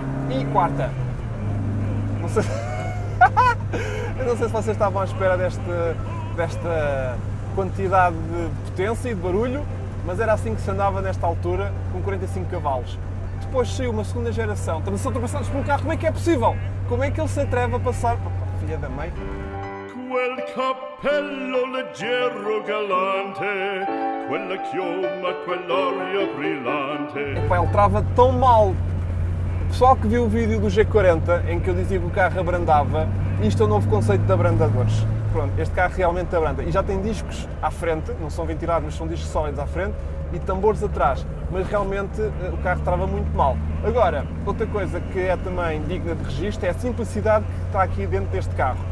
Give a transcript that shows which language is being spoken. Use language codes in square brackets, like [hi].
[pt] E quarta. Não sei se... não sei se vocês estavam à espera desta quantidade de potência e de barulho, mas era assim que se andava nesta altura, com 45 cavalos. Depois saiu uma segunda geração. Estamos a ser ultrapassados por um carro. Como é que é possível? Como é que ele se atreve a passar? Oh, filha da mãe. [it] Quel cappello leggero galante, quella chioma, quell'aria brillante. [pt] Epá, ele trava tão mal. O pessoal que viu o vídeo do G40, em que eu dizia que o carro abrandava, isto é um novo conceito de abrandadores. Pronto, este carro realmente abranda. E já tem discos à frente, não são ventilados, mas são discos sólidos à frente, e tambores atrás. Mas realmente o carro trava muito mal. Agora, outra coisa que é também digna de registro é a simplicidade que está aqui dentro deste carro.